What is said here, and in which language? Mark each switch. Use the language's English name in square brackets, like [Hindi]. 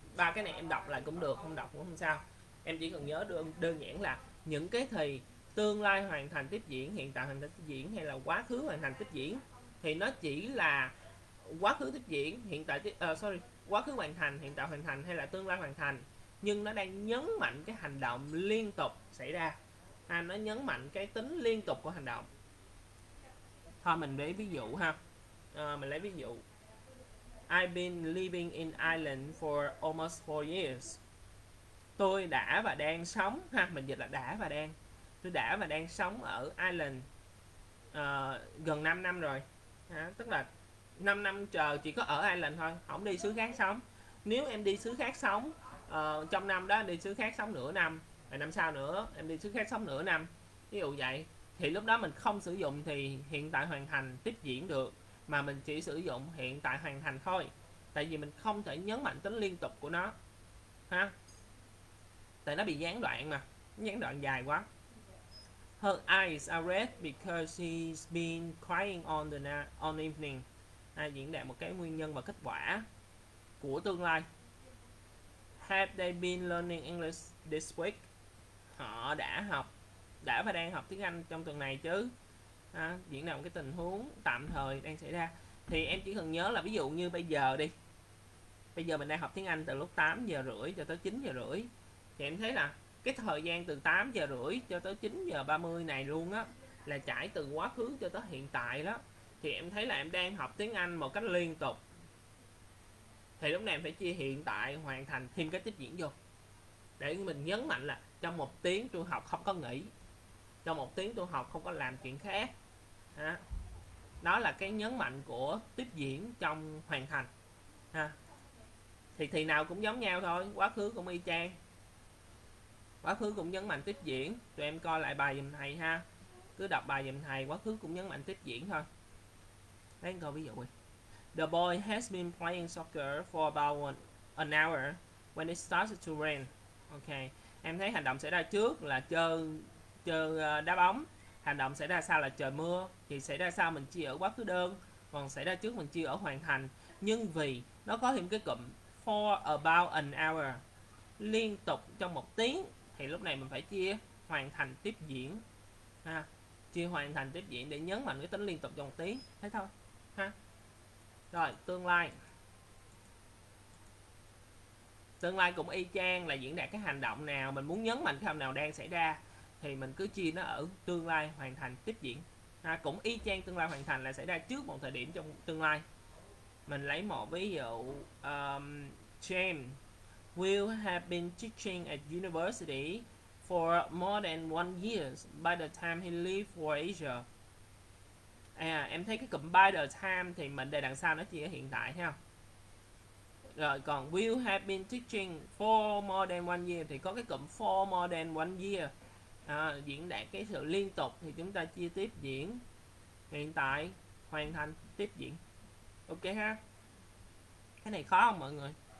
[Vietnamese] Ba cái này em đọc lại cũng được, không đọc cũng không sao. Em chỉ cần nhớ đơn giản là những cái thì tương lai hoàn thành tiếp diễn, hiện tại hoàn thành tiếp diễn hay là quá khứ hoàn thành tiếp diễn thì nó chỉ là quá khứ tiếp diễn, hiện tại tiếp, quá khứ hoàn thành, hiện tại hoàn thành hay là tương lai hoàn thành, nhưng nó đang nhấn mạnh cái hành động liên tục xảy ra. À, nó nhấn mạnh cái tính liên tục của hành động. Thôi mình lấy ví dụ ha. Mình lấy ví dụ. [English] I've been living in Ireland for almost 4 years. [Vietnamese] Tôi đã và đang sống ha, mình dịch là đã và đang. Tôi đã và đang sống ở Ireland gần 5 năm rồi. À, tức là 5 năm chờ chỉ có ở Ireland thôi, không đi xứ khác sống. Nếu em đi xứ khác sống, trong năm đó em đi xứ khác sống nửa năm, và năm sau nữa em đi xứ khác sống nửa năm. Ví dụ vậy, thì lúc đó mình không sử dụng thì hiện tại hoàn thành tiếp diễn được, mà mình chỉ sử dụng hiện tại hoàn thành thôi. Tại vì mình không thể nhấn mạnh tính liên tục của nó. Ha? Tại nó bị gián đoạn mà, gián đoạn dài quá. [English] Her eyes are red because she's been crying on the evening. [Vietnamese] À, diễn đạt một cái nguyên nhân và kết quả của tương lai. [English] Have they been learning English this week? [Vietnamese] Họ đã học, đã và đang học tiếng Anh trong tuần này chứ? À, diễn đạt một cái tình huống tạm thời đang xảy ra. Thì em chỉ cần nhớ là ví dụ như bây giờ đi. Bây giờ mình đang học tiếng Anh từ lúc 8 giờ rưỡi cho tới 9 giờ rưỡi. Thì em thấy là cái thời gian từ 8 giờ rưỡi cho tới 9 giờ 30 này luôn á, là trải từ quá khứ cho tới hiện tại đó. Thì em thấy là em đang học tiếng Anh một cách liên tục. Thì lúc này em phải chia hiện tại hoàn thành thêm cái tiếp diễn vô. Để mình nhấn mạnh là trong một tiếng tôi học không có nghỉ, trong một tiếng tôi học không có làm chuyện khác. Đó là cái nhấn mạnh của tiếp diễn trong hoàn thành. Thì nào cũng giống nhau thôi, quá khứ cũng y chang, quá khứ cũng nhấn mạnh tiếp diễn. Tụi em coi lại bài giùm thầy ha, cứ đọc bài giùm thầy, quá khứ cũng nhấn mạnh tiếp diễn thôi. Lấy coi ví dụ đi. [English] The boy has been playing soccer for about an hour when it started to rain. [Vietnamese] Ok, em thấy hành động xảy ra trước là chơi đá bóng, hành động xảy ra sau là trời mưa. Thì xảy ra sau mình chia ở quá khứ đơn, còn xảy ra trước mình chia ở hoàn thành. Nhưng vì nó có thêm cái cụm [English] for about an hour, [Vietnamese] liên tục trong một tiếng, thì lúc này mình phải chia hoàn thành tiếp diễn ha. Chia hoàn thành tiếp diễn để nhấn mạnh cái tính liên tục trong một tiếng. Thế thôi ha. Rồi tương lai, tương lai cũng y chang là diễn đạt cái hành động nào mình muốn nhấn mạnh, cái hành động nào đang xảy ra thì mình cứ chia nó ở tương lai hoàn thành tiếp diễn ha. Cũng y chang tương lai hoàn thành là xảy ra trước một thời điểm trong tương lai. Mình lấy một ví dụ, James [English] will have been teaching at university for more than 1 year by the time he leaves for Asia. [Vietnamese] À, em thấy cái cụm [English] by the time [Vietnamese] thì mình để đằng sau nó chỉ ở hiện tại ha. Rồi còn [English] will have been teaching for more than 1 year [Vietnamese] thì có cái cụm [English] for more than 1 year. [Vietnamese] À, diễn đạt cái sự liên tục thì chúng ta chia tiếp diễn, hiện tại, hoàn thành, tiếp diễn. Ok ha. Cái này khó không mọi người?